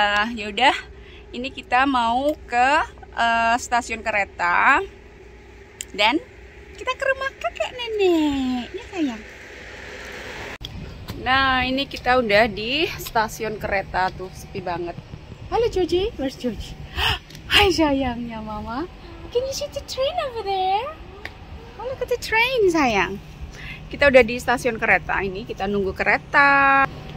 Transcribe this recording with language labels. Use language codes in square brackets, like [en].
[id] Ya udah, ini kita mau ke stasiun kereta dan kita ke rumah kakek neneknya sayang. Nah, ini kita udah di stasiun kereta tuh, sepi banget. Halo Joji, [en] where's Joji? [id] Hai sayangnya mama, [en] can you see the train over there? Oh, look at the train [id] sayang. Kita udah di stasiun kereta ini, kita nunggu kereta.